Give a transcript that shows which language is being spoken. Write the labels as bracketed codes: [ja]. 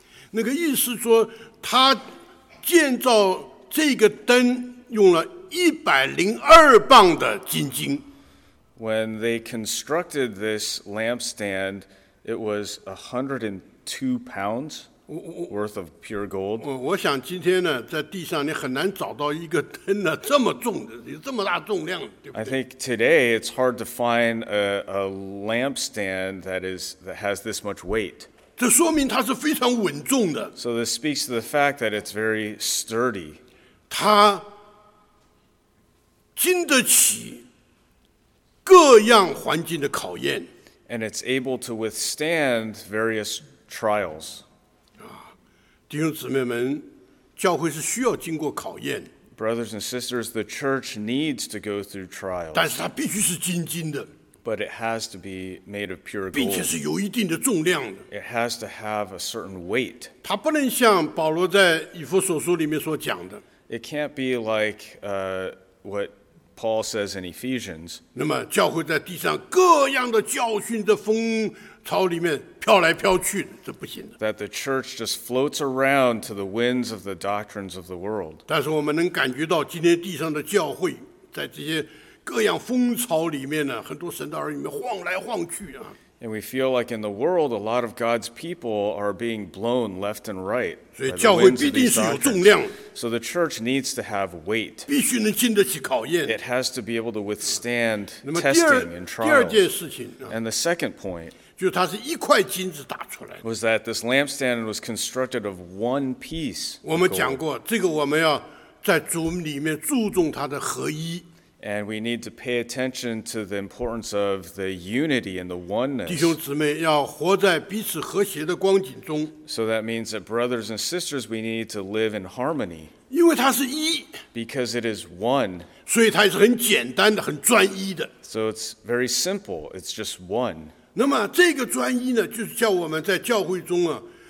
[zh] 那个意思说，他建造这个灯用了102磅的金金。 [en] When they constructed this lampstand, it was 102 pounds worth of pure gold. [zh] 我想今天呢，在地上你很难找到一个灯呢这么重的，有这么大重量，对不对？ [en] I think today it's hard to find a lampstand that has this much weight. [zh] 这说明它是非常稳重的。 [en] So this speaks to the fact that it's very sturdy. [zh] 它经得起各样环境的考验。 [en] And it's able to withstand various trials. [zh] 弟兄姊妹们，教会是需要经过考验。 [en] Brothers and sisters, the church needs to go through trials. [zh] 但是它必须是金金的。 [en] But it has to be made of pure gold. [zh] 并且是有一定的重量的。 [en] It has to have a certain weight. [zh] 它不能像保罗在以弗所书里面所讲的。 [en] It can't be like what Paul says in Ephesians. [zh] 那么教会在地上各样的教训的风潮里面飘来飘去，这不行的。 [en] That the church just floats around to the winds of the doctrines of the world. [zh] 但是我们能感觉到，今天地上的教会在这些各样风潮里面呢，很多神的儿女们晃来晃去啊。 [en] And we feel like in the world, a lot of God's people are being blown left and right. So the church needs to have weight. It has to be able to withstand testing and trials. And the second point was that this lampstand was constructed of one piece. And we need to pay attention to the importance of the unity and the oneness. [zh] 弟兄姊妹要活在彼此和谐的光景中。 [en] So that means that brothers and sisters, we need to live in harmony. [zh] 因为它是一。 [en] Because it is one. [zh] 所以它是很简单的，很专一的。 [en] So it's very simple. It's just one. [zh] 那么这个专一呢，就是叫我们在教会中啊。